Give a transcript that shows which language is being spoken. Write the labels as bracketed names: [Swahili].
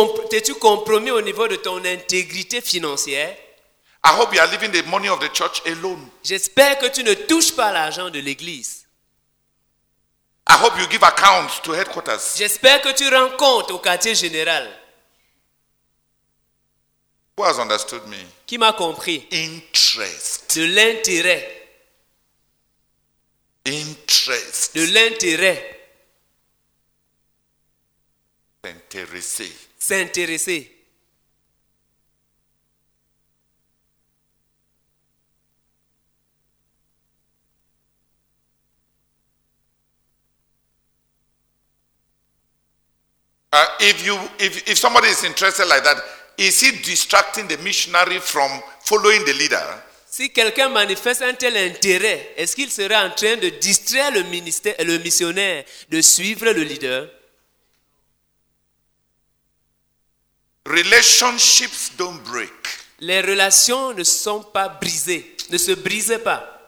[French] T'es-tu compromis au niveau de ton intégrité financière? [English] I hope you are leaving the money of the church alone. [French] J'espère que tu ne touches pas l'argent de l'église. [English] I hope you give account to headquarters. [French] J'espère que tu rends compte au quartier général. [English] Who has understood me? [French] Qui m'a compris? [English] Interest. [French] De l'intérêt. [English] Interest. [French] De l'intérêt. S'intéresser. S'intéresser. [English] If somebody is interested like that, is he distracting the missionary from following the leader? [French] Si quelqu'un manifeste un tel intérêt, est-ce qu'il serait en train de distraire le ministère, le missionnaire de suivre le leader? [English] Relationships don't break. [French] Les relations ne sont pas brisées, ne se brisent pas.